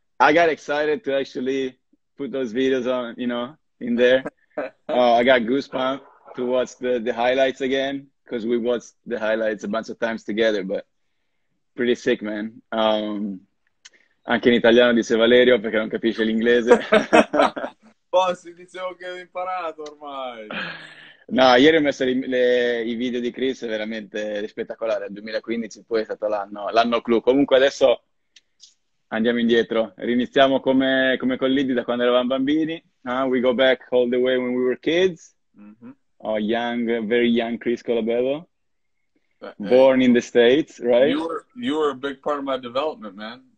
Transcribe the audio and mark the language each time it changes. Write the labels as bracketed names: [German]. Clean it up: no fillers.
[English] I got excited to actually put those videos on, you know, in there. I got goosebumps to watch the highlights again because we watched the highlights a bunch of times together, but pretty sick, man. [Italian] Anche in italiano dice Valerio perché non capisce l'inglese. Bossi, dicevo che avevo imparato ormai. No, ieri ho messo i video di Chris, veramente spettacolare. Il 2015 poi è stato l'anno clou. Comunque adesso... Andiamo indietro. Riniziamo come con Liddy da quando eravamo bambini. [English] We go back all the way when we were kids. Mm-hmm. Oh, young, very young Chris Colabello. Born in the States, right? You were a big part of my development, man.